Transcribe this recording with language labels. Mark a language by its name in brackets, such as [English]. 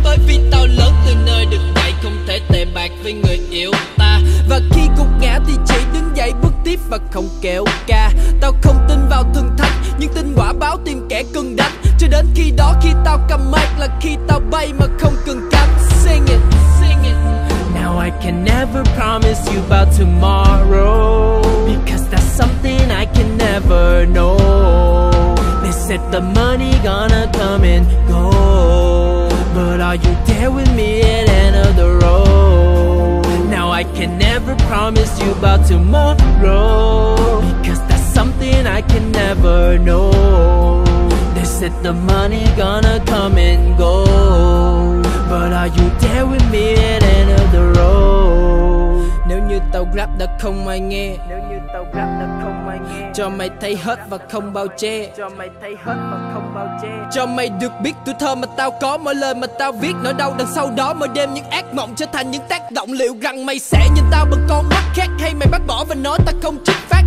[Vietnamese] Bởi vì tao lớn từ nơi được dạy, không thể tệ bạc với người yêu ta. Và khi gục ngã thì chỉ đứng dậy bước tiếp và không kêu ca. Tao không tin vào thần thánh, nhưng tin quả báo tìm kẻ cần đánh. Cho đến khi đó khi tao cầm mic là khi tao bay mà không cần cánh. [English] Sing it, sing it. Now I can never promise you about tomorrow, because that's something I can never know. They said the money gonna come and go, but are you there with me at end of the road? Now I can never promise you about tomorrow, because that's something I can never know. They said the money gonna come and go, but are you there with me at end of the road? [Vietnamese] Nếu như tao rap đã không ai nghe, nếu như tao rap đã không ai nghe, cho mày thấy hết và không bao che, cho mày thấy hết và không bao che, cho mày được biết tuổi thơ mà tao có, mỗi lời mà tao viết nỗi đau đằng sau đó. Mỗi đêm những ác mộng trở thành những tác động, liệu rằng mày sẽ nhìn tao bằng con mắt khác, hay mày bác bỏ và nói tao không chính phát.